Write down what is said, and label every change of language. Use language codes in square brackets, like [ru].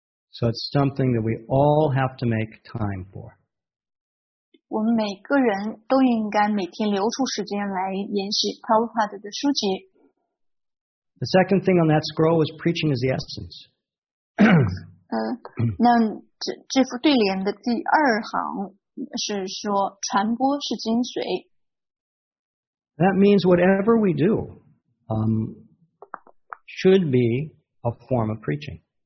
[en] So it's something that we all have to make time for. [zh] 我们每个人都应该每天留出时间来研习 Prabhupada 的书籍。 [en] The second thing on that scroll was preaching is the essence. [zh] 那这幅对联的第二行是说传播是精髓。 [en] That means whatever we do, should be a form of preaching.